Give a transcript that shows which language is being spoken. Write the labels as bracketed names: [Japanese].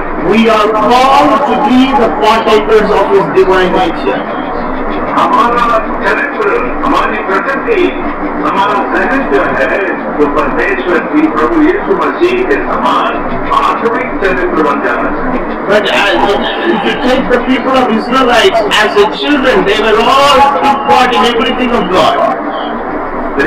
[English] We are called to be the partakers of his divine nature. [Hindi] हमारा चरित्र हमारी प्रकृति हमारा सहन जो है वो परमेश्वर की प्रभु यीशु मसीह के समान आत्मिक चरित्र बन जाना चाहिए. [English] But you take the people of Israelites as a children, they were all took part in everything of God.